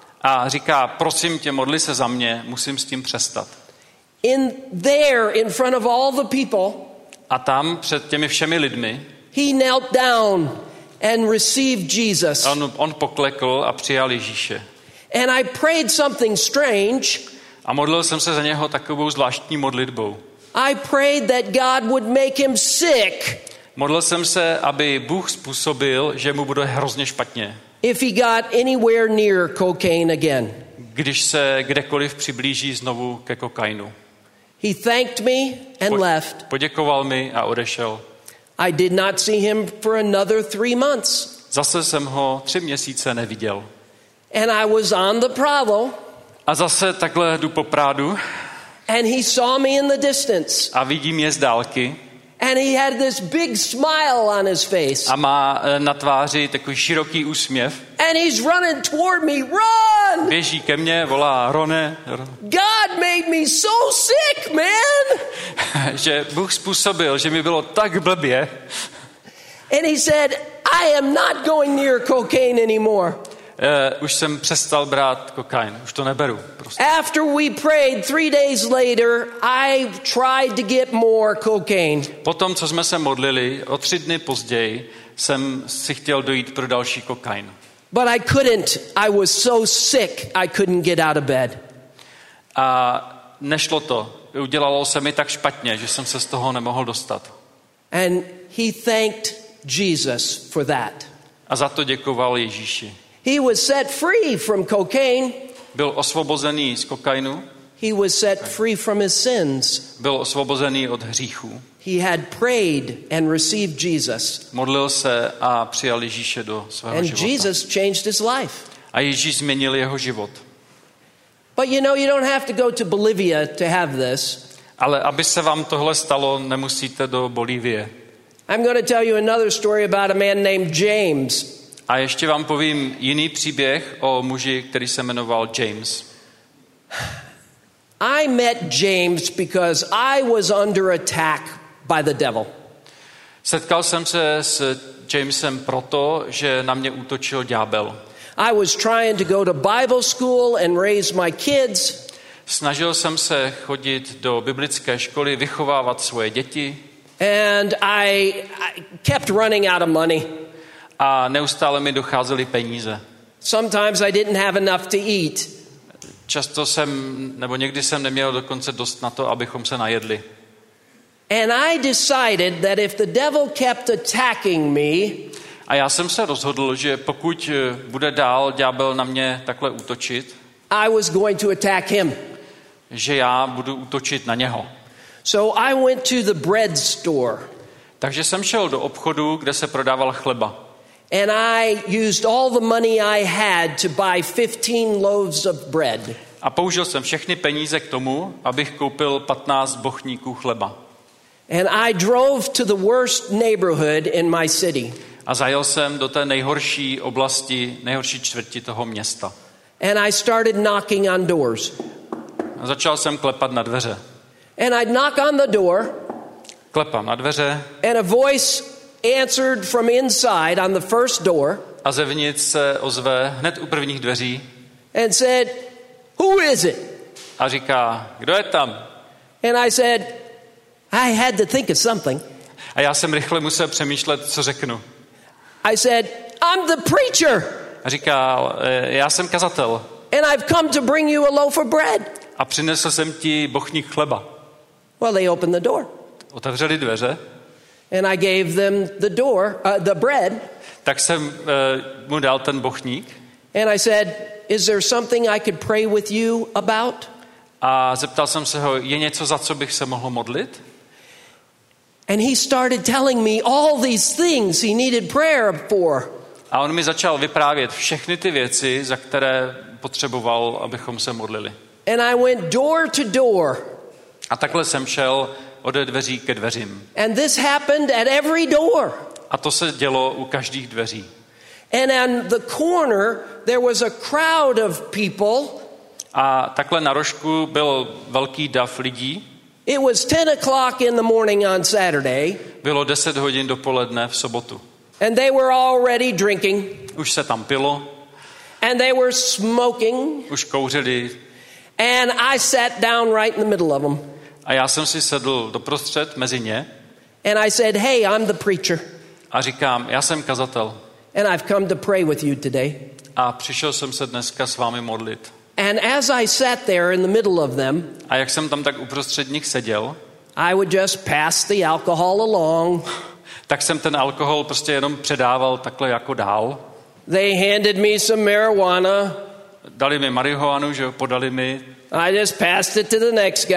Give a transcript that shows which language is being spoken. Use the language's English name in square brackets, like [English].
[Czech] A říká, prosím tě, modli se za mě, musím s tím přestat. [English] In there, in front of all the people, [Czech] a tam před těmi všemi lidmi, [English] he knelt down and received Jesus. [Czech] On poklekl a přijal Ježíše. [English] And I prayed something strange. [Czech] A modlil jsem se za něho takovou zvláštní modlitbou. [English] I prayed that God would make him sick. [Czech] Modlil jsem se, aby Bůh způsobil, že mu bude hrozně špatně. [English] If he got anywhere near cocaine again. [Czech] Když se kdekoliv přiblíží znovu ke kokainu. [English] He thanked me and left. [Czech] Poděkoval mi a odešel. [English] I did not see him for another 3 months. [Czech] Zase jsem ho 3 měsíce neviděl. [English] And I was on the Prado. [Czech] A zase takhle jdu po Prádu. [English] And he saw me in the distance. [Czech] A vidí mě z dálky. [English] And he had this big smile on his face. [Czech] A má na tváři takový široký úsměv. [English] And he's running toward me, run! [Czech] Běží ke mně, volá, Rone. [English] God made me so sick, man! [Czech] Že Bůh způsobil, že mi bylo tak blbě. [English] And he said, I am not going near cocaine anymore. [Czech] Už jsem přestal brát kokain, už to neberu. Prostě. [English] After we prayed 3 days later, I tried to get more cocaine. [Czech] Potom, co jsme se modlili, o 3 dny později jsem si chtěl dojít pro další kokain. [English] But I couldn't. I was so sick, I couldn't get out of bed. [Czech] A nešlo to. Udělalo se mi tak špatně, že jsem se z toho nemohl dostat. [English] And he thanked Jesus for that. [Czech] A za to děkoval Ježíši. [English] He was set free from cocaine. [Czech] Byl osvobozený z kokainu. [English] He was set free from his sins. [Czech] Byl osvobozený od hříchů. [English] He had prayed and received Jesus. [Czech] Modlil se a přijal Ježíše do svého života. [English] And Jesus changed his life. [Czech] A Ježíš změnil jeho život. [English] But you know, you don't have to go to Bolivia to have this. [Czech] Ale aby se vám tohle stalo, nemusíte do Bolívie. [English] I'm going to tell you another story about a man named James. [Czech] A ještě vám povím jiný příběh o muži, který se jmenoval James. [English] I met James because I was under attack by the devil. [Czech] Setkal jsem se s Jamesem proto, že na mě útočil ďábel. [English] I was trying to go to Bible school and raise my kids. [Czech] Snažil jsem se chodit do biblické školy, vychovávat svoje děti. [English] And I kept running out of money. [Czech] A neustále mi docházely peníze. [English] Sometimes I didn't have enough to eat. [Czech] Často jsem, nebo někdy jsem neměl dokonce dost na to, abychom se najedli. [English] And I decided that if the devil kept attacking me, [Czech] a já jsem se rozhodl, že pokud bude dál ďábel na mě takhle útočit, [English] I was going to attack him. [Czech] Že já budu útočit na něho. [English] So I went to the bread store. [Czech] Takže jsem šel do obchodu, kde se prodával chleba. [English] And I used all the money I had to buy 15 loaves of bread. [Czech] A použil jsem všechny peníze k tomu, abych koupil 15 bochníků chleba. [English] And I drove to the worst neighborhood in my city. [Czech] A zajel jsem do té nejhorší oblasti, nejhorší čtvrti toho města. [English] And I started knocking on doors. [Czech] A začal jsem klepat na dveře. [English] And I'd knock on the door. [Czech] Klepám na dveře. [English] And a voice answered from inside on the first door. [Czech] A zevnitř se ozve hned u prvních dveří. [English] And said, "Who is it?" [Czech] A říká, kdo je tam? [English] And I said, "I had to think of something." [Czech] A já jsem rychle musel přemýšlet, co řeknu. [English] I said, "I'm the preacher." [Czech] A říkal, já jsem kazatel. [English] And I've come to bring you a loaf of bread. [Czech] A přinesl jsem ti bochník chleba. [English] Well, they opened the door. [Czech] Otevřeli dveře. [English] And I gave them the door, the bread. [Czech] Tak jsem mu dal ten bochník. [English] And I said, "Is there something I could pray with you about?" [Czech] A zeptal jsem se ho, je něco, za co bych se mohl modlit? [English] And he started telling me all these things he needed prayer for. [Czech] A on mi začal vyprávět všechny ty věci, za které potřeboval, abychom se modlili. [English] And I went door to door. [Czech] A takhle jsem šel od dveří ke dveřím. [English] And this happened at every door. [Czech] A to se dělo u každých dveří. [English] And on the corner there was a crowd of people. [Czech] A takhle na rožku byl velký dav lidí. [English] It was 10 o'clock in the morning on Saturday. [Czech] Bylo 10 hodin dopoledne v sobotu. [English] And they were already drinking. [Czech] Už se tam pilo. [English] And they were smoking. [Czech] Už kouřili. [English] And I sat down right in the middle of them. [Czech] A já jsem si sedl doprostřed mezi ně. [English] And I said, "Hey, I'm the preacher." [Czech] A říkám, já jsem kazatel. [English] And I've come to pray with you today. [Czech] A přišel jsem se dneska s vámi modlit. [English] And as I sat there in the middle of them, [Czech] a jak jsem tam tak uprostřed nich seděl, [English] I would just pass the alcohol along. [Czech] Tak jsem ten alkohol prostě jenom předával takhle jako dál. [English] They handed me some marijuana. [Czech] Dali mi marihuanu, že jo, podali mi. [English] I just passed it to the next guy.